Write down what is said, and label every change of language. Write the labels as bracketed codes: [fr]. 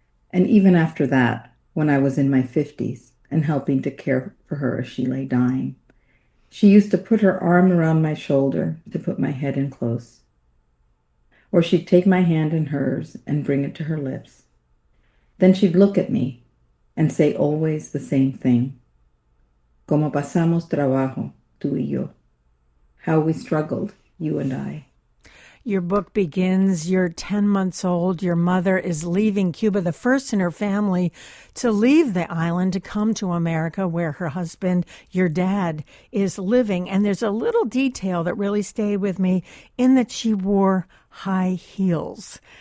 [en] And even after that, when I was in my 50s and helping to care for her as she lay dying, she used to put her arm around my shoulder to put my head in close. Or she'd take my hand in hers and bring it to her lips. Then she'd look at me and say always the same thing. [es] Como pasamos trabajo, tú y yo. [en] How we struggled. You and I. Your book begins, you're 10 months old. Your mother is leaving Cuba, the first in her family to leave the island to come to America, where her husband, your dad, is living. And there's a little detail that really stayed with me in that she wore high heels.